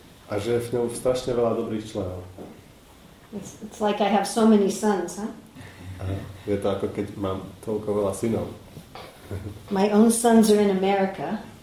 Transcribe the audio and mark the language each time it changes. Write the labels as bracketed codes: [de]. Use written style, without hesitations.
[sk] A že je v ňom strašne veľa dobrých členov. [en] It's like I have so many sons, huh? [sk] Je to ako keď mám toľko veľa synov. [en] My own sons are in America.